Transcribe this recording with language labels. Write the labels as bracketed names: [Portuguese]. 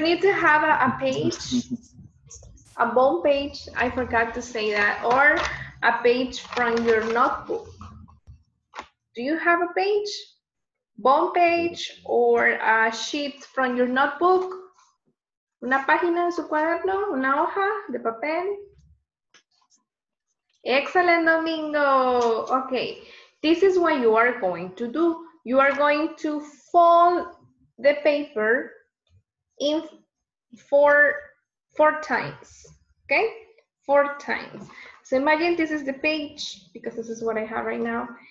[English] need to have a page, a bone page, I forgot to say that, or a page from your notebook. Do you have a page? Bone page or a sheet from your notebook? [Spanish] Una página en su cuaderno, una hoja de papel. [English] Excellent, Domingo. Okay, this is what you are going to do. You are going to fold the paper in four times, okay? Four times. So imagine this is the page, because this is what I have right now.